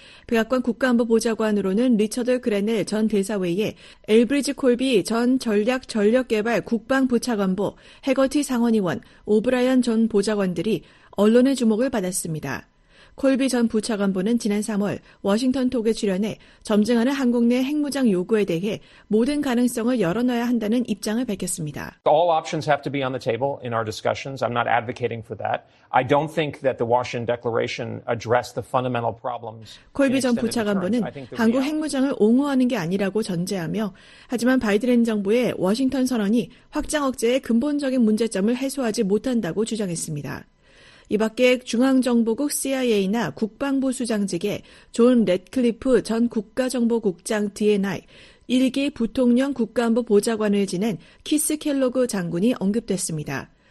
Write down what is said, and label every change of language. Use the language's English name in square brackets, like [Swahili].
[Korean] 백악관 국가안보보좌관으로는 리처드 그레넬 전 대사 외에 엘브리지 콜비 전 전략전력개발 국방부차관보, 해거티 상원의원, 오브라이언 전 보좌관들이 언론의 주목을 받았습니다. 콜비 전 부차관보는 지난 3월 워싱턴 톡에 출연해 점증하는 한국 내 핵무장 요구에 대해 모든 가능성을 열어놔야 한다는 입장을 밝혔습니다. [English] All options have to be on the table in our discussions. I'm not advocating for that. I don't think that the Washington Declaration addressed the fundamental problems. [Korean] 콜비 전 부차관보는 한국 핵무장을 옹호하는 게 아니라고 전제하며 하지만 바이든 행정부의 워싱턴 선언이 확장 억제의 근본적인 문제점을 해소하지 못한다고 주장했습니다. 이 밖에 중앙정보국 CIA나 국방부 수장직에 존 랫클리프 전 국가정보국장 DNI, 1기 부통령 국가안보 보좌관을 지낸 키스 켈로그 장군이 언급됐습니다.